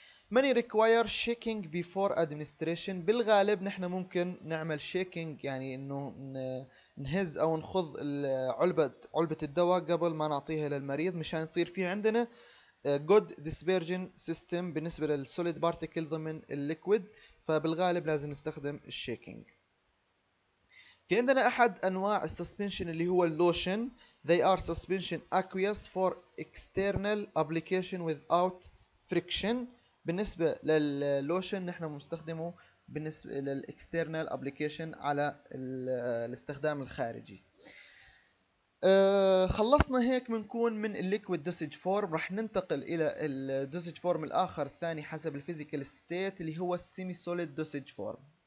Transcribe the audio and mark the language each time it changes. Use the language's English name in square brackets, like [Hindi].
[English] Money require checking before administration. [Arabic] بالغالب نحن ممكن نعمل شيكينج يعني انه نهز او نخض علبه الدواء قبل ما نعطيها للمريض مشان يصير في عندنا [English] good dispersion system [Arabic] بالنسبه للسوليد بارتيكل ضمن الليكويد. فبالغالب لازم نستخدم الشيكينج. في عندنا احد انواع السسبنشن اللي هو اللوشن. [English] they are suspension aqueous for external application without friction. [Arabic] بالنسبه لللوشن نحن بنستخدمه بالنسبة للإكسترنال أبليكيشن على الاستخدام الخارجي. خلصنا هيك بنكون من الليكويد دوسج فورم. رح ننتقل إلى الدوسج فورم الآخر الثاني حسب الفيزيكال ستيت اللي هو السيمي سوليد دوسج فورم.